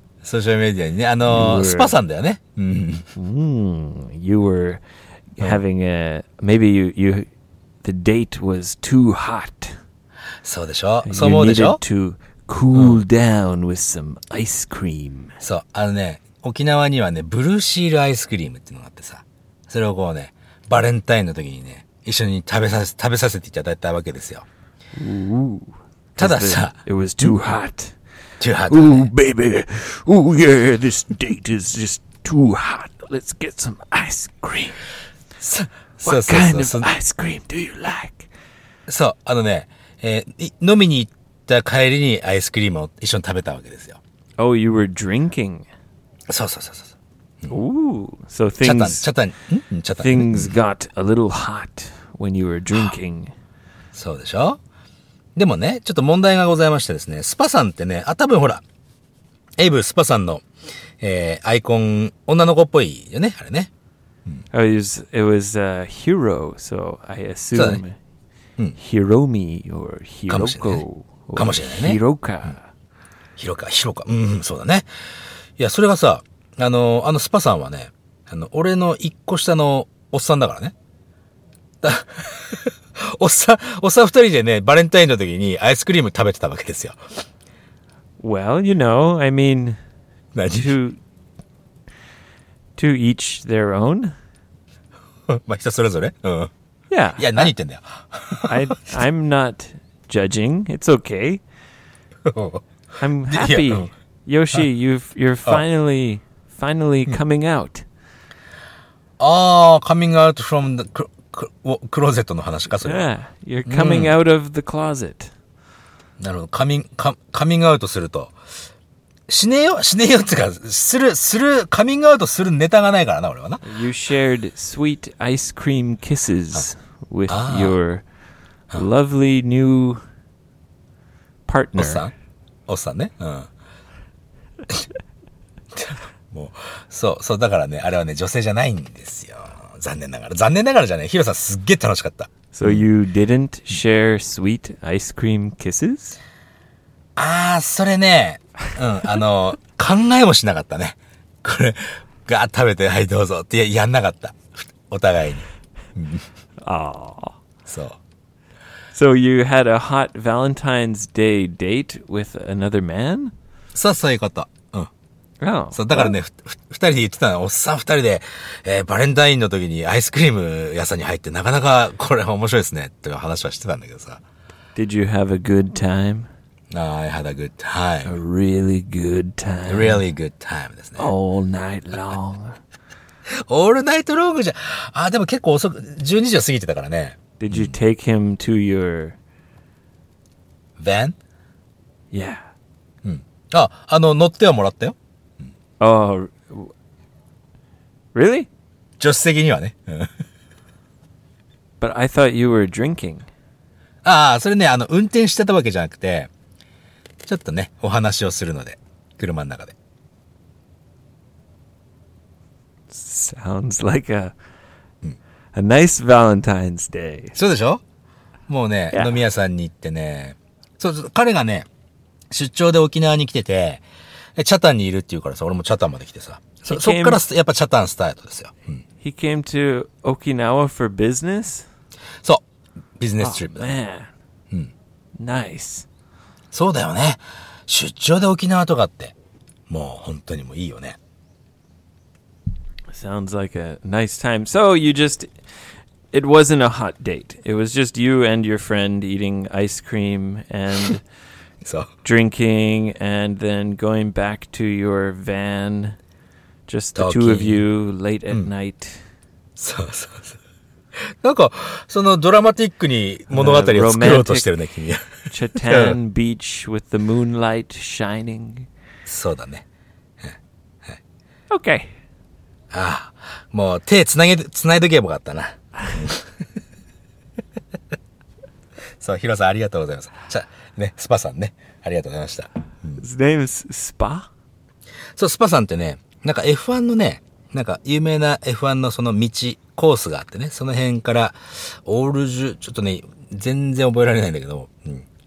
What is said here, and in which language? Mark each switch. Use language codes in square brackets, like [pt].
[ja] ソーシャルメディアにね、スパさんだよね。 [en] you were having a maybe you the date was too hot. [ja] そうでしょ、そう思うでしょ。 [en] You needed to cool down with some ice cream. [ja] そう、あのね、沖縄にはね、ブルーシールアイスクリームっていうのがあってさ、それをこうね、バレンタインの時にね、一緒に食べさせていただいたわけですよ。たださ、 [en] it was too hot. Too hot. Ooh baby. Ooh yeah. This date is just too hot. Let's get some ice cream. What kind of ice cream do you like? [ja] そう、あのね、飲みに行った帰りにアイスクリームを一緒に食べたわけですよ。 [en] Oh, you were drinking. [ja] そう。 [en] Ooh, so things... [ja] チャタン。 [en] Things got a little hot when you were drinking. [ja] そうでしょ？でもね、ちょっと問題がございましてですね、スパさんってね、あ、多分ほら、エイブ、スパさんの、アイコン、女の子っぽいよね、あれね。 [en] It was a hero, so I assume Hiromi or Hiroko [ja] かもしれないね。 Hiroka。 Hiroka、Hiroka。そうだね。いや、それがさ、あのスパさんはね、あの、俺の一個下のおっさんだからね。おっさん二人でね、バレンタインの時にアイスクリーム食べてたわけですよ。 [en] Well, you know, I mean, to each their own. [ja] まあ、人それぞれ。うん。 [en] Yeah. [ja] いや、何言ってんだよ。 [en] I'm not judging. It's okay. I'm happy. Yoshi, you're finally coming out. Ah, coming out from the closet [ja] の話か、それ。 [en] Yeah, you're coming out of the closet. [ja] なるほど。 [en] Coming out [ja] すると。死ねよってか、する、coming out するネタがないからな、俺はな。 [en] You shared sweet ice cream kisses with your lovely new partner. [ja] おっさんね。うん。もう、そう、だからね、あれはね、女性じゃないんですよ。残念ながらじゃない。ヒロさん、すっげえ楽しかった。 So you didn't share sweet ice cream kisses? あー、それね、うん、あの、考えもしなかったね。これ、ガーッ食べて、はい、どうぞって、やんなかった。お互いに。ああ。そう。 [en] So you had a hot Valentine's Day date with another man? [ja] そう、そういうこと。 [en] Oh, [ja] そうだからね、二人で言ってたの、おっさん二人で、バレンタインの時にアイスクリーム屋さんに入って、なかなかこれ面白いですねって話はしてたんだけどさ。 [en] Did you have a good time? I had a good time. A really good time. Really good time [ja] ですね。 [en] All night long. All night long [ja] じゃ、あ、でも結構遅く、12時は過ぎてたからね。 [en] Did you take him to your van? Yeah. [ja] うん。あ、あの、乗ってはもらったよ。 [en] Oh, really? [ja] 助手席にはね。 [en] But I thought you were drinking. [ja] ああ、それね、あの、運転してたわけじゃなくて、ちょっとね、お話をするので、車の中で。 [en] Sounds like a nice Valentine's Day. [ja] そうでしょ? もうね、飲み屋さんに行ってね、そう、彼がね、出張で沖縄に来てて、チャタンにいるって言うからさ、俺もチャタンまで来てさ。そっからやっぱチャタンスタートですよ。うん、 [en] He came to Okinawa for business? [ja] そう。ビジネストリップ。 [en] Oh, man. [ja] うん。 [en] Nice. [ja] そうだよね。出張で沖縄とかって、もう本当にもういいよね。 [en] Sounds like a nice time. So you just, it wasn't a hot date. It was just you and your friend eating ice cream and So. Drinking and then going back to your van, just the two of you late at night. [ja] そうそうそう。なんかそのドラマティックに物語を作ろうとしてるね、君は。 [en] Chatan beach with the moonlight shining. [ja] そうだね。 [en] Okay. [ja] ああ、もう手つないとけばよかったな。そう、ヒロさんありがとうございます。ね、スパさんね。ありがとうございました。 [en] His name is Spa? [ja] そう、スパさんってね、なんか F1 のね、なんか有名な F1 のその道、コースがあってね、その辺から、オールジュ、ちょっとね、全然覚えられないんだけど、うん。